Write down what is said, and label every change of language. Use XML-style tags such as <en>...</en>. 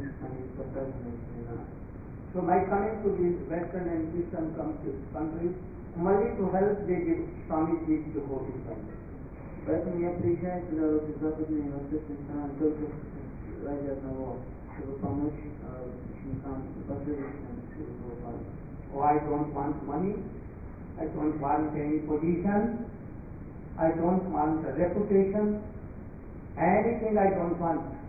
<en>So my coming to these Western and Eastern countries only to help the Swamiji to go to them.</en> <ru>Поэтому я приезжаю сюда, вот из западной и восточной страны, только ради одного, чтобы помочь ученикам и последующим Шри Прабхупаде.</ru> <en>Oh, I don't want money, I don't want any position, I don't want a reputation, anything I don't want.</en>